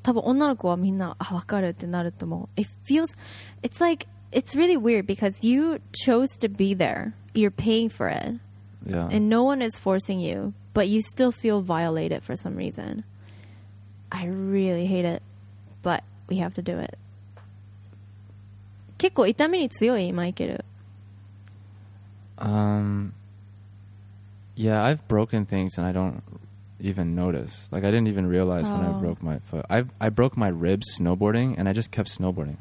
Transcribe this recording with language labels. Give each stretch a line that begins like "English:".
Japanese: 多分女の子はみんな、あ、わかるってなると思う。
English: It feels, it's like, it's really weird because you chose to be there. You're paying for it. Yeah. And no one is forcing you, but you still feel violated for some reason. I really hate it, but we have to do it.
Japanese: 結構痛みに強い、マイケル。
English: Yeah, I've broken things and I don't even notice. Like, I didn't even realize when I broke my foot. I broke my ribs snowboarding and I just kept snowboarding.